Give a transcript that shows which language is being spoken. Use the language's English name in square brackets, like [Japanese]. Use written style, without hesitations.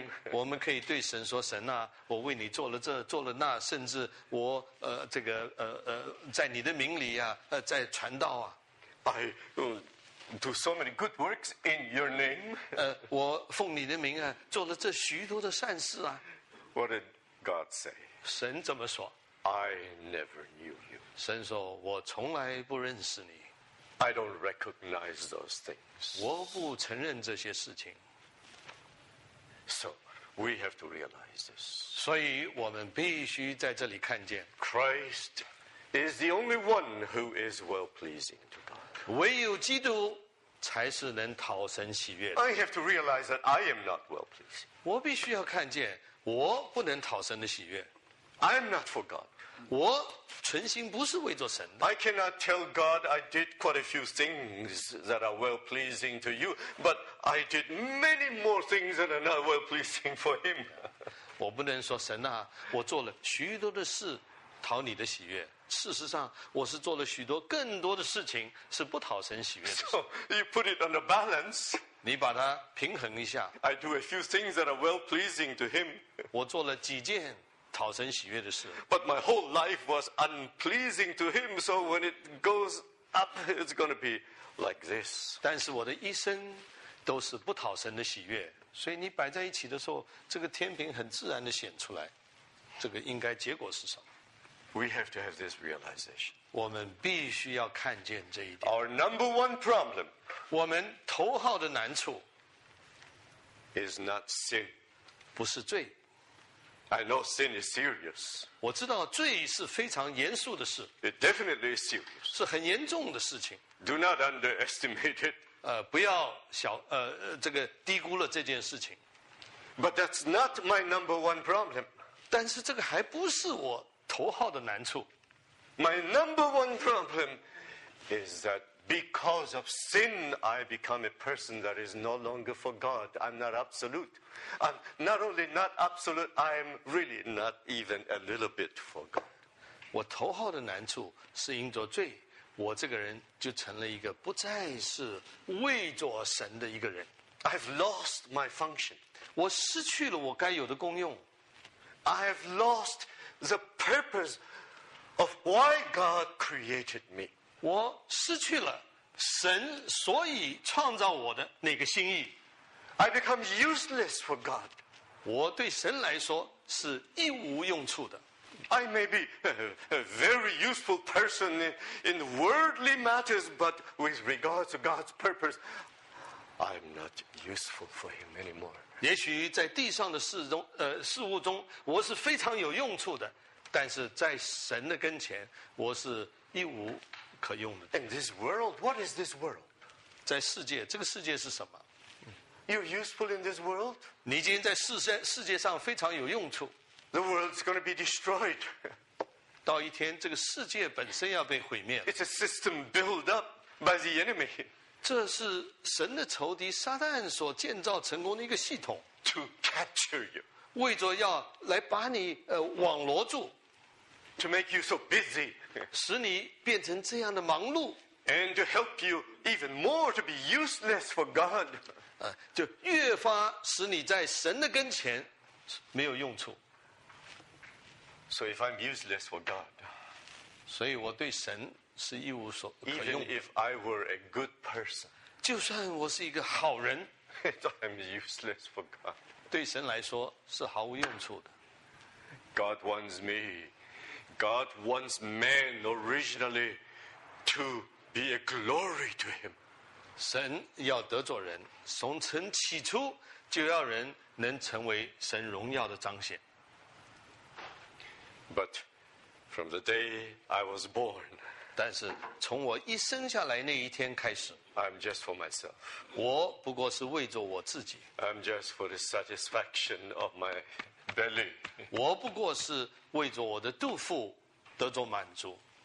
[Chinese] 我们可以对神说神啊我为你做了这做了那甚至我这个在你的名里啊在传道啊 [English] I do so many good works in your name [Chinese] 我奉你的名啊做了这许多的善事啊 [English] What did God say [Chinese] 神怎么说 [English] I never knew you [Chinese] 神说我从来不认识你 [English] I don't recognize those things [Chinese] 我不承认这些事情 [English] So we have to realize this. [Chinese] 所以我们必须在这里看见 [English] Christ is the only one who is well pleasing to God. [Chinese] 唯有基督才是能讨神喜悦的。 [English] I have to realize that I am not well pleasing. [Chinese] 我必须要看见我不能讨神的喜悦。 [English] I am not for God. [Chinese] 我存心不是为着神的。 [English] I cannot tell God I did quite a few things that are well pleasing to you, but I did many more things that are not well pleasing for him. [Chinese] 我不能说神啊，我做了许多的事讨你的喜悦。事实上，我是做了许多更多的事情是不讨神喜悦的。 [English] So you put it on the balance. [Chinese] 你把它平衡一下。 [English] I do a few things that are well pleasing to him. [Chinese] 我做了几件。讨神喜悦的事。 [English] But my whole life was unpleasing to him, so when it goes up, it's going to be like this. [Chinese] 但是我的一生都是不讨神的喜悦，所以你摆在一起的时候，这个天平很自然的显出来，这个应该结果是什么 [English] ？We have to have this realization. [Chinese] 我们必须要看见这一点。 [English] Our number one problem, [Chinese] 我们头号的难处 [English] is not sin, [Chinese] 不是罪。 [English] I know sin is serious. [Chinese] 我知道罪是非常严肃的事。 [English] It definitely is serious. [Chinese] 是很严重的事情。 [English] Do not underestimate it. [Chinese] 不要小这个低估了这件事情。 [English] But that's not my number one problem. [Chinese] 但是这个还不是我头号的难处。 [English] My number one problem is that because of sin, I become a person that is no longer for God. I'm not absolute. I'm not only not absolute, I'm really not even a little bit for God. [Chinese] 我头号的难处是因着罪，我这个人就成了一个不再是为着神的一个人。 [English] I've lost my function. [Chinese] 我失去了我该有的功用。 [English] I've lost the purpose of why God created me. [Chinese] 我失去了神所以创造我的那个心意。 [English] I become useless for God. [Chinese] 我对神来说是一无用处的。 [English] I may be a very useful person in worldly matters, but with regard to God's purpose, I'm not useful for Him anymore. [Chinese] 也许在地上的事中，事物中，我是非常有用处的。但是在神的跟前，我是一无可用的。 [English] In this world, what is this world? [Chinese] 在世界，这个世界是什么 [English] ？You're useful in this world. [Chinese] 你今天在世界上非常有用处。 [English] The world's going to be destroyed. [Chinese] 到一天，这个世界本身要被毁灭。 [English] It's a system built up by the enemy. [Chinese] 这是神的仇敌撒旦所建造成功的一个系统。 [English] To capture you. [Chinese] 为着要来把你网罗住 [English] ，to make you so busy， [Chinese] 使你变成这样的忙碌 [English] ，and to help you even more to be useless for God， [Chinese] 就越发使你在神的跟前没有用处。 [English] So if I'm useless for God， [Chinese] 所以我对神是一无所可用。 [English] Even if I were a good person， [Chinese] 就算我是一个好人 [English] ，I'm useless for God。 [Chinese] 对神来说是毫无用处的。 [English] God wants me. God wants man originally to be a glory to Him. [Chinese] 神要得着人，从神起初就要人能成为神荣耀的彰显。 [English] But from the day I was born, [Chinese] 但是从我一生下来那一天开始。 [English] I'm just for myself. [Chinese] 我不过是为着我自己。 [English] I'm just for the satisfaction of my belly. [Chinese] 我不过是为着我的肚腹得着满足。